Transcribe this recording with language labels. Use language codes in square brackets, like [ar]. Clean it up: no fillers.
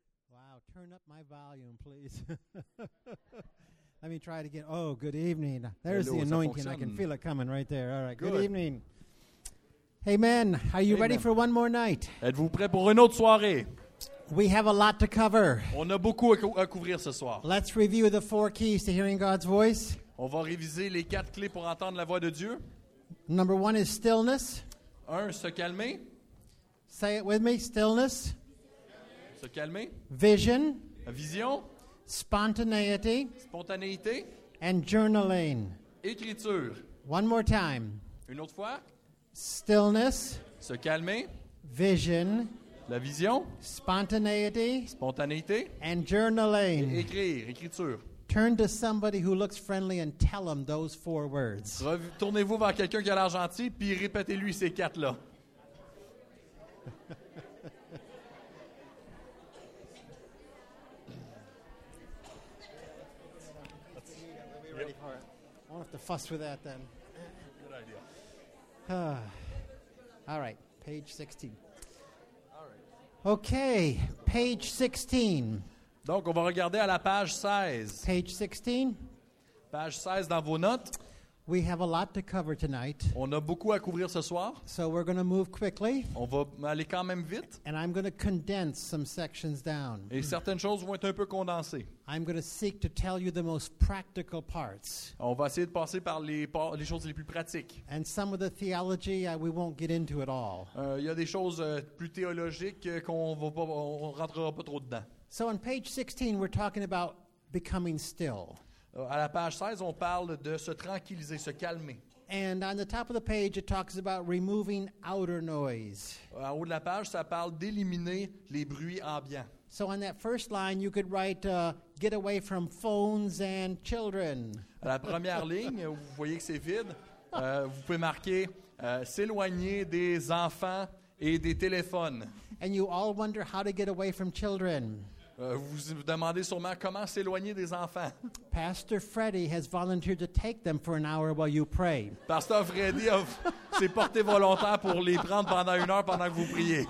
[en] Wow, turn up my volume, please. Let me try it again. Oh, good evening. There's Hello, the anointing. I can feel it coming right there. All right, good evening. Amen. Are you ready for one more night? [fr] Êtes-vous prêt pour une autre soirée? [en] We have a lot to cover. [fr] On a beaucoup à couvrir ce soir. [en] Let's review the four keys to hearing God's voice. [fr] On va réviser les quatre clés pour entendre la voix de Dieu. [en] Number one is stillness. [fr] Un, se calmer. [en] Say it with me, stillness. [fr] Se calmer. [en] Vision. [fr] La vision. [en] Spontaneity. [fr] Spontanéité. [en] And journaling. [fr] Écriture. [en] One more time. [fr] Une autre fois. [en] Stillness. [fr] Se calmer. [en] Vision. [fr] La vision. [en] Spontaneity. [fr] Spontanéité. [en] And journaling. [fr] Écrire. Écriture. [en] Turn to somebody who looks friendly and tell them those four words. [fr] Tournez-vous vers quelqu'un qui a l'air gentil puis répétez-lui ces quatre-là. [en] I won't have to fuss with that then. Good idea. All right, page 16. All right. Okay, page 16. [fr] Donc, on va regarder à la page 16. [en] Page 16. [fr] Page 16 dans vos notes. [en] We have a lot to cover tonight. [fr] On a beaucoup à couvrir ce soir. [en] So we're going to move quickly. [fr] On va aller quand même vite. [en] And I'm going to condense some sections down. [fr] Et certaines choses vont être un peu condensées. [en] I'm going to seek to tell you the most practical parts. [fr] On va essayer de passer par les choses les plus pratiques. [en] And some of the theology we won't get into at all. [fr] Il y a des choses plus théologiques qu'on rentrera pas trop dedans. [en] So on page 16, we're talking about becoming still. [fr] À la page 16, on parle de se tranquilliser, se calmer. [en] And on the top of the page, it talks about removing outer noise. [fr] En haut de la page, ça parle d'éliminer les bruits ambiants. [en] So on that first line, you could write, get away from phones and children. [fr] À la première ligne, vous voyez que c'est vide. Vous pouvez marquer, s'éloigner des enfants et des téléphones. [en] And you all wonder how to get away from children. [fr] Vous vous demandez sûrement comment s'éloigner des enfants. [en] Pastor Freddy has volunteered to take them for an hour while you pray. [fr] Pasteur Freddy s'est porté volontaire pour les prendre pendant une heure pendant que vous priez.